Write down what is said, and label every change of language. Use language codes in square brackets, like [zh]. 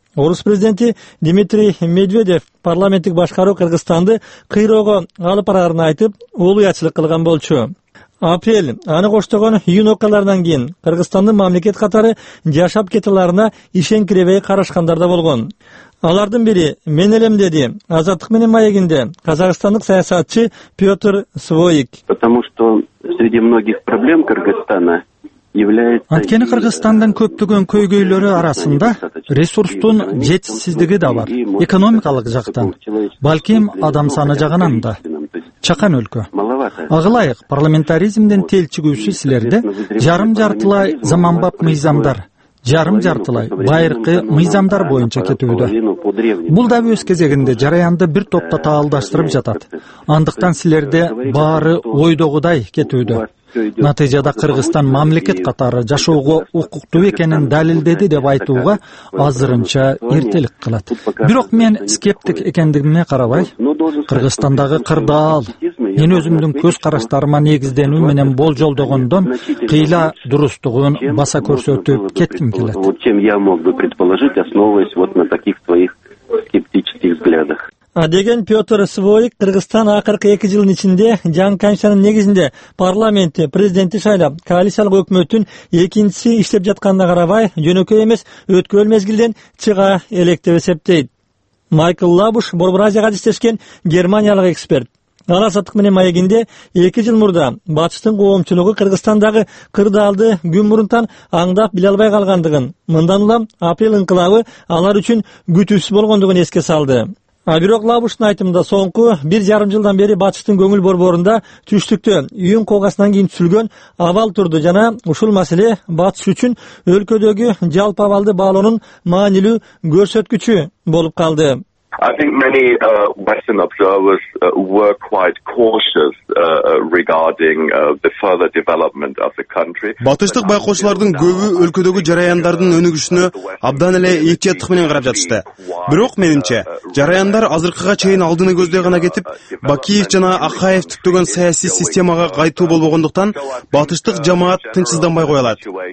[ky] Орус президенти Дмитрий Медведев парламенттик башкаруу Кыргызстанды кыйроого алып барарын айтып, улуячылык кылган болчу. Апрель аны коштогон июнь окуяларынан кийин Кыргызстандын мамлекет катары жашап кетүүлөрүнө ишенкиребей карашкандар да болгон. Алардын бири мен элем деди Азаттык менен маегинде казакстандык саясатчы Петр Своик. [ru] Потому что среди многих проблем Кыргызстана является. [ky] Анткени Кыргызстандын көптөгөн көйгөйлөрү арасында ресурстун жетишсиздиги да бар, экономикалык жактан, балким адам саны жагынан да. Чакан өлкө. Ага ылайык парламентаризмдин телчигүүсү силерде жарым жартылай заманбап мыйзамдар, жарым жартылай байыркы мыйзамдар боюнча кетүүдө. Бул дагы өз кезегинде жараянды бир топто таалдаштырып жатат. Андыктан силерде баары ойдогудай кетүүдө. Натыйжада Кыргызстан мамлекет катары жашоого укуктуу экенин далилдеди деп айтууга азырынча эртелик кылат. Бирок мен скептик экендигимге карабай, Кыргызстандагы кырдаал мен өзүмдүн көз караштарыма негиздену менен болжолдогондон кыйла дурустугун баса көрсөтүп кетким келет. [ru] Чем я мог бы предположить, основываясь вот на таких твоих скептических взглядах. [ky] Деген Петр Свойк Кыргызстан акыркы 2 жылдын ичинде жаңы конституциянын негизинде парламентти, президентти шайлап, коалициялык өкмөттүн экинчиси иштеп жатканына карабай, жөнөкөй эмес өткөн мезгилден чыга элек деп эсептейт. Майкл Лабуш Борбор Азияга иштешкен германиялык эксперт. Алар Саттык менен маегинде 2 жыл мурда батыштын коомчулугу Кыргызстандагы кырдаалды күн мурунтан аңдап биле албай калгандыгын, мындан улам апрель инкылабы алар үчүн күтүүсүз болгондугун эске салды. А бирок Лабуштун айтымында соңку 1.5 жылдан бери батыштын көңүл борборунда түштүктө үйүн коогасынан кийин түзүлгөн абал турду жана ушул маселе батыш үчүн өлкөдөгү жалпы абалды баалоонун маанилүү көрсөткүчү болуп калды. [en] I think many Western observers were quite cautious regarding the further development of the country. [ky] Батыштык байкоочулардын көбү өлкөдөгү жараяндардын өнүгүшүнө абдан эле этияттык менен карап жатышты. Бирок менимче, жараяндар азыркыга чейин алдыны көздөй гана кетип, Бакиев жана Акаев түптөгөн саясий системага кайтуу болбогондуктан батыштык жамаат тынчсызданбай кое алат.